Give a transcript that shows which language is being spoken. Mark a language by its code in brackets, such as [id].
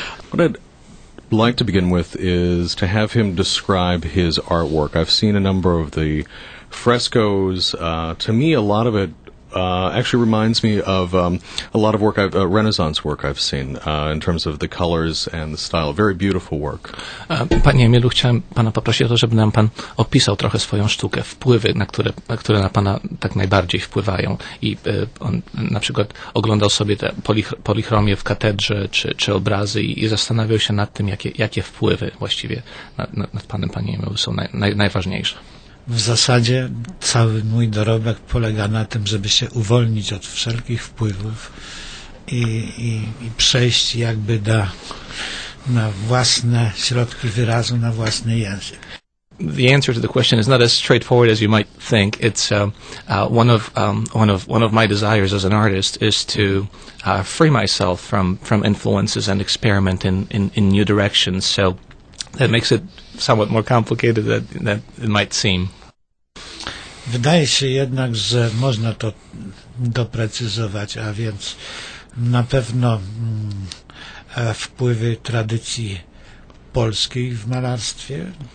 [en] What I'd like to begin with is to have him describe his artwork. I've seen a number of the frescoes. To me, a lot of it actually reminds me of a lot of work, Renaissance work I've seen, in terms of the colors and the style. Very beautiful work. [pl] Panie Emilu, chciałem pana poprosić o to, żeby nam pan opisał trochę swoją sztukę, wpływy, na które na pana tak najbardziej wpływają. I on na przykład oglądał sobie te polichromie w katedrze, czy obrazy i zastanawiał się nad tym, jakie wpływy właściwie nad panem, panie Emilu, są najważniejsze. W zasadzie cały mój dorobek polega na tym, żeby się uwolnić od wszelkich wpływów i przejść jakby na własne środki wyrazu, na własny język. [en] The answer to the question is not as straightforward as you might think. It's one of my desires as an artist is to free myself from influences and experiment in new directions. So that makes it somewhat more complicated than it might seem. [pl] Wydaje się jednak, że można to doprecyzować, a więc na pewno wpływy tradycji polskiej w malarstwie.